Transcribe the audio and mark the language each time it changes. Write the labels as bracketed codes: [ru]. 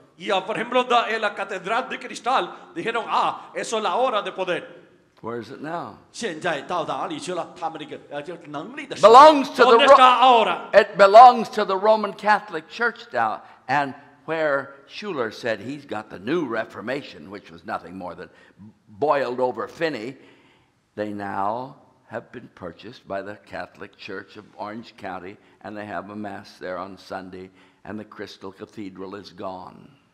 [es] Yeah, por ejemplo, en la catedral de cristal dijeron, ah, eso es la hora de poder. [en] Where is it now? [zh] 现在到哪里去了？他们这个就能力的时刻。 [en] Belongs to the [es] Roman. ¿Dónde está ahora? [en] It belongs to the Roman Catholic Church now, and where Schuller said he's got the new Reformation, which was nothing more than boiled over Finney, they now have been purchased by the Catholic Church of Orange County, and they have a mass there on Sunday, and the Crystal Cathedral is gone.